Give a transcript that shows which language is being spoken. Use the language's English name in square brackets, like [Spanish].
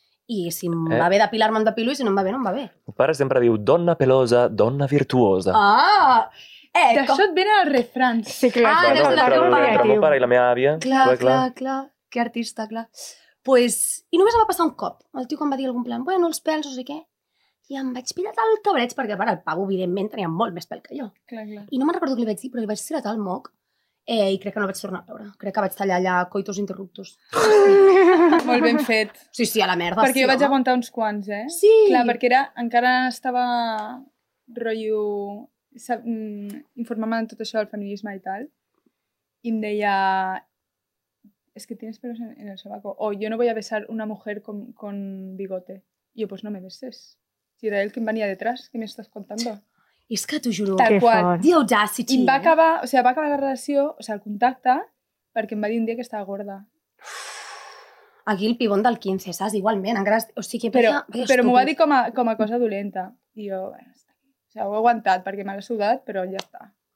[Catalan] I si em va bé depilar-me, em depilo, i si no em va bé, no em va bé. El pare sempre diu, dona pelosa, dona virtuosa. Ah! D'això et venen els refrans. Sí, clar. Ah, des de la teva pare. Entre el meu pare i la meva àvia. Clar. Que artista, clar. Pues, i només em va passar un cop. El tio quan va dir algun plan, bueno, els pèls, o sigui què. I em vaig pillar tal cabreig, perquè el Pau, evidentment, tenia molt més pèl que jo. Clar. I no me'n recordo què li vaig dir, però li vaig tirar tal moc i crec que no vaig tornar a veure. Crec que vaig tallar allà coitus interruptus. Molt ben fet. Sí, a la merda. Perquè sí, jo vaig aguantar uns quants, eh? Sí. Clar, perquè era, encara estava rotllo informant-me de tot això del feminisme i tal. I em deia... [Spanish] Es que tienes pelos en el sobaco. O yo no voy a besar una mujer con bigote. Y yo, pues no me beses. Si era él quien venía detrás, ¿qué me estás contando? Es que tú juro. [Catalan] Tal qual. [English] The audacity. [Catalan] Y va acabar, o sea, va acabar la relació, o sea, el contacte, perquè em va dir un dia que estava gorda. Aquí el pibón del 15, saps? Igualment. Encara... O sigui, però m'ho va dir com a cosa dolenta. I jo, bueno, està. O sea, ho he aguantat perquè m'ha sudat, però ja està.